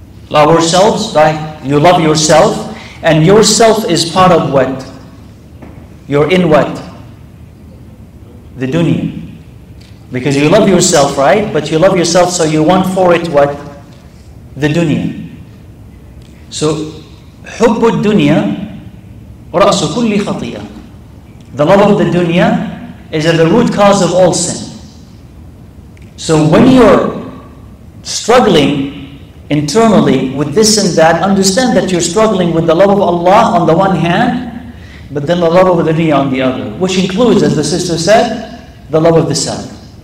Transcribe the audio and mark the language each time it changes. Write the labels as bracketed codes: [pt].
[en] Love ourselves, right? You love yourself. And yourself is part of what? You're in what? The dunya. Because you love yourself, right? But you love yourself, so you want for it what? The dunya. So, [ar] حب الدنيا رأس كل خطية. [en] The love of the dunya is at the root cause of all sin. So when you're struggling internally with this and that, understand that you're struggling with the love of Allah on the one hand, but then the love of the dunya on the other, which includes, as the sister said, the love of the self.